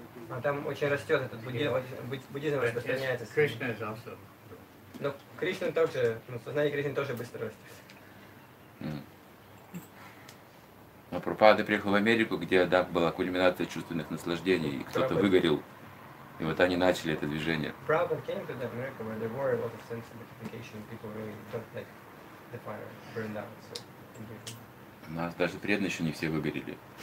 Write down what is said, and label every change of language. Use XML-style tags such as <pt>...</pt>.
<ru>А там очень растет этот буддизм, распространяется. Кришна тоже. Но Кришна тоже, ну, сознание Кришны тоже быстро растет. Но Прабхупада приехал в Америку, где, да, была кульминация чувственных наслаждений, и кто-то выгорел, и вот они начали это движение.</ru> <en>Прабхупада came to that America where there were a lot of sense of gratification, people really felt like the fire burned out. So...</en> <ru>У нас даже преданные еще не все выгорели.</ru>